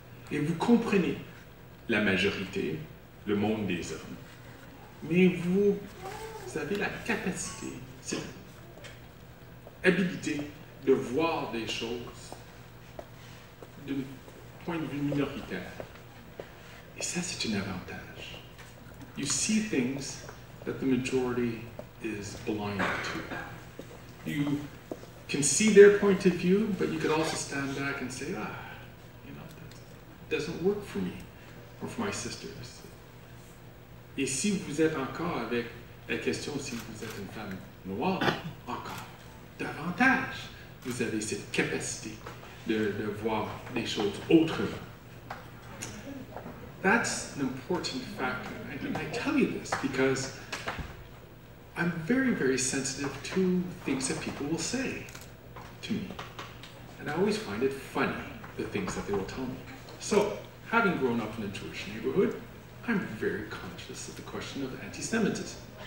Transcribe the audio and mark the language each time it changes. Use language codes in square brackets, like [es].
[fr] Et vous comprenez la majorité, le monde des hommes, mais vous avez la capacité, cette habilité de voir des choses d'un point de vue minoritaire. Et ça, c'est un avantage. [en] You see things that the majority is blind to. You can see their point of view, but you could also stand back and say, that doesn't work for me or for my sisters. [fr] Et si vous êtes encore avec la question, si vous êtes une femme noire, encore davantage, vous avez cette capacité de voir les choses autrement. [en] That's an important factor. I tell you this because I'm very, very sensitive to things that people will say to me. And I always find it funny, the things that they will tell me. So, having grown up in a Jewish neighborhood, I'm very conscious of the question of anti-Semitism.